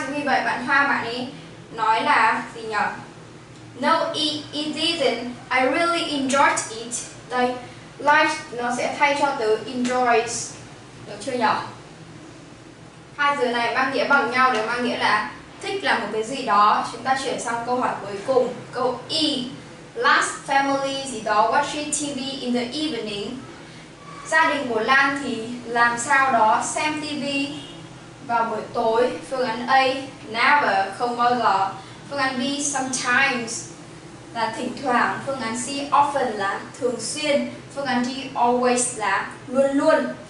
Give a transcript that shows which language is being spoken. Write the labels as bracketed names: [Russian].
[Vietnamese] Chính vì vậy bạn Hoa bạn ấy nói là gì nhỉ? [English] No, it didn't. I really enjoyed it. [Vietnamese] Đây, like nó sẽ thay cho từ enjoys. được chưa nhỉ? Hai từ này mang nghĩa bằng nhau đều mang nghĩa là thích là một cái gì đó. Chúng ta chuyển sang câu hỏi cuối cùng, câu E. [English] Lan's family [Vietnamese] gì đó [English] watching TV in the evening. [Vietnamese] Gia đình của Lan thì làm sao đó xem TV vào buổi tối. Phương án A, never, không bao giờ. Phương án B, sometimes, là thỉnh thoảng. Phương án C, often, là thường xuyên. Phương án D, always, là luôn luôn.